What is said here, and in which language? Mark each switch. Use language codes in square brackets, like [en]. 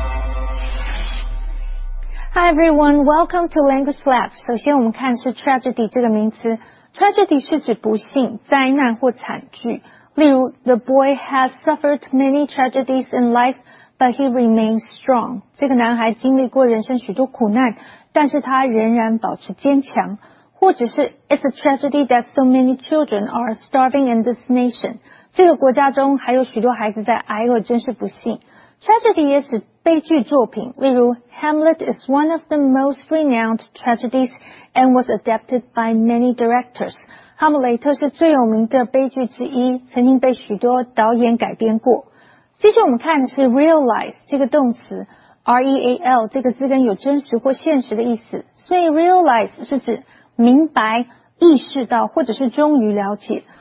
[en] Hi everyone, welcome to Language Lab. [zh] 首先我们看是 tragedy 这个名词。Tragedy 是指不幸、灾难或惨剧。例如 [en] ,the boy has suffered many tragedies in life, but he remains strong. [zh] 这个男孩经历过人生许多苦难,但是他仍然保持坚强。或者是 [en] ,it's a tragedy that so many children are starving in this nation. [zh] 这个国家中还有许多孩子在挨饿,真是不幸。 [en] Tragedy [zh] 也指悲剧作品,例如 [en] ,Hamlet is one of the most renowned tragedies and was adapted by many directors. [zh] 哈姆雷特是最有名的悲剧之一，曾经被许多导演改编过。接着我们看的是 realize 这个动词 ,real 这个字根有真实或现实的意思，所以 realize 是指明白、意识到或者是终于了解。